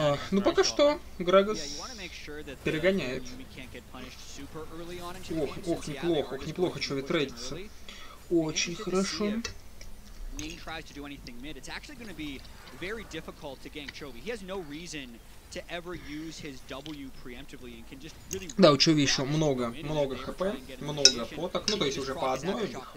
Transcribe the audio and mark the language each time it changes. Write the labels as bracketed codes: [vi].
[ru] Ну, пока что Грагас перегоняет. Ох, ох, неплохо, ох, неплохо, что ли, трейдится. Очень хорошо. [en] Нинг tries to do anything mid. It's actually going to be very difficult to gank Chovy. He has no reason to ever use his W preemptively and can just really. [ru] Да, у Чови еще много, много ХП, много поток, ну то есть уже по одной.